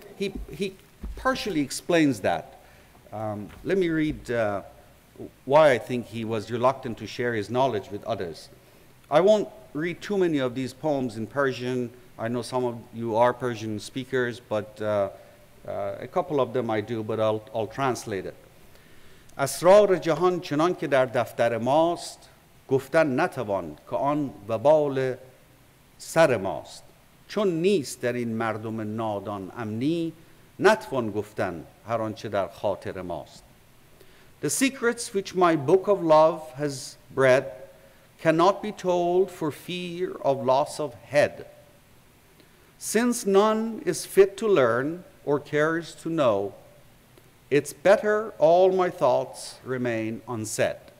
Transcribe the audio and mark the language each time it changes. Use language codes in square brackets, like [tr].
[en] He partially explains that. Let me read why I think he was reluctant to share his knowledge with others. I won't read too many of these poems in Persian. I know some of you are Persian speakers, but a couple of them I do, but I'll translate it. [fa] اسرار جهان چنان که در دفتر ماست گفتن نتوان که آن وبال سر ماست چون نیست در این مردم نادان امنی نتوان گفتن هر آنچه در خاطر ماست. [en] The secrets which my book of love has bred cannot be told for fear of loss of head. Since none is fit to learn or cares to know, it's better all my thoughts remain unsaid.